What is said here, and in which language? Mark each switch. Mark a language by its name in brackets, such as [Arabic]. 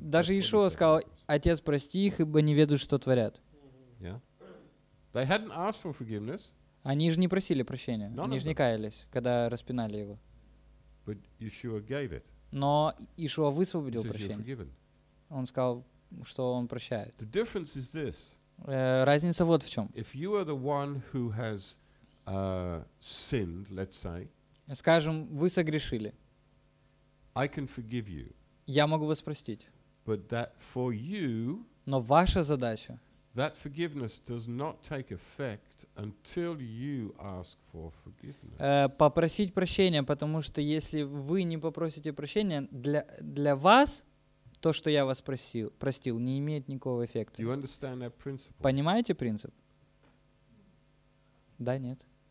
[Russian] Даже Иешуа сказал, Отец, прости их, ибо не ведут, что творят. [English] Yeah. They hadn't asked for forgiveness. [Russian] Они же не просили прощения. None они же не каялись, когда распинали его. [English] But Yeshua gave it. [Russian] Но Иешуа высвободил прощение. Он сказал, что он прощает. [English] The difference is this. [Russian] Разница вот в чем. [English] If you are the one who has sinned, let's say, [Russian] скажем, вы согрешили. [English] I can forgive you. [Russian] Я могу вас простить. [English] But that for you, [Russian] но ваша задача [English] That forgiveness does not take effect until you ask for forgiveness. [Russian] Попросить прощения, потому что если вы не попросите прощения, для вас то, что я вас простил, не имеет никакого эффекта. [English] Do you understand that principle? [Russian] Понимаете принцип? Да, нет.